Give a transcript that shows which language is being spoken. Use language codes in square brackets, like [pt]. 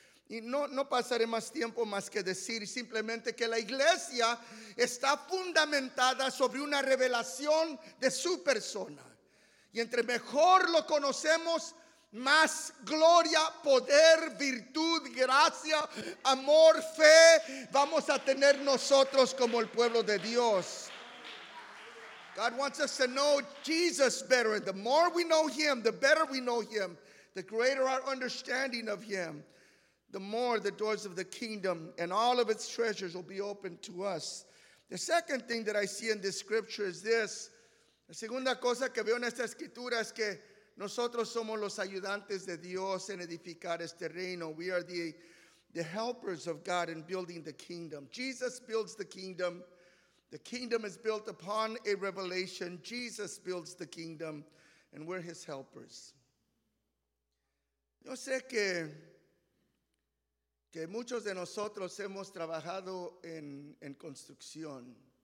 [es] Y no pasaré más tiempo más que decir simplemente que la iglesia está fundamentada sobre una revelación de su persona. Y entre mejor lo conocemos, más gloria, poder, virtud, gracia, amor, fe vamos a tener nosotros como el pueblo de Dios. [en] God wants us to know Jesus better. The more we know him, the better we know him, the greater our understanding of him, the more the doors of the kingdom and all of its treasures will be open to us. The second thing that I see in this scripture is this. [es] La segunda cosa que veo en esta escritura es que nosotros somos los ayudantes de Dios en edificar este reino. [en] We are the helpers of God in building the kingdom. Jesus builds the kingdom. The kingdom is built upon a revelation. Jesus builds the kingdom, and we're his helpers. [es] Yo sé que muchos de nosotros hemos trabajado en construcción.